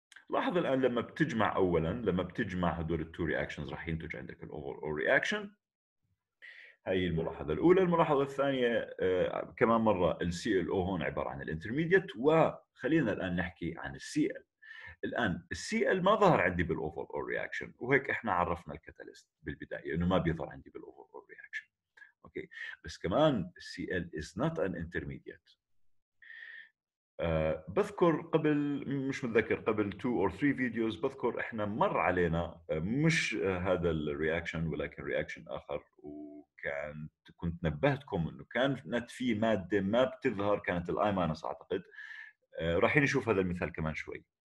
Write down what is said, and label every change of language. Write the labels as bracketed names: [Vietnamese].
[Arabic] لاحظ الآن لما بتجمع أولاً لما بتجمع هدول التو رياكشنز راح ينتج عندك الأول رياكشن. هاي الملاحظة الأولى. الملاحظة الثانية كمان مرة الCLO هون عبارة عن الانترميديت وخلينا الآن نحكي عن الCL. الآن الCL ما ظهر عندي بالأول رياكشن وهيك إحنا عرفنا الكاتاليست بالبداية إنه ما بيظهر عندي بالأول رياكشن. أوكي بس كمان الCL [English] is not an intermediate. [Arabic] بذكر قبل مش متذكر قبل 2 or 3 فيديوز بذكر احنا مر علينا مش هذا الرياكشن ولكن رياكشن اخر وكان كنت نبهتكم انه كانت في ماده ما بتظهر كانت الايمانس اعتقد راح نشوف هذا المثال كمان شوي.